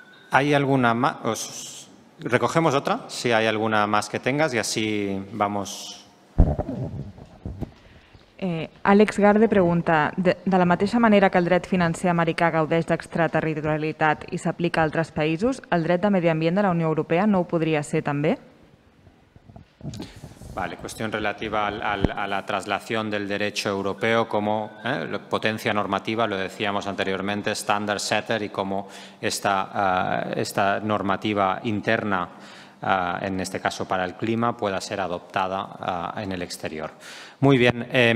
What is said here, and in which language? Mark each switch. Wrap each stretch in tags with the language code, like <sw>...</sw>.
<es>¿Hay alguna más? ¿Recogemos otra? Si hay alguna más que tengas y así vamos.</es> <ca>Àlex Garde pregunta, de la mateixa manera que el dret financer americà gaudeix d'extraterritorialitat i s'aplica a altres països, el dret de medi ambient de la Unió Europea no ho podria ser també?</ca> <es>Vale, cuestión relativa a la traslación del derecho europeo como potencia normativa, lo decíamos anteriormente, standard setter, y cómo esta normativa interna, en este caso para el clima, pueda ser adoptada en el exterior. Muy bien.</es>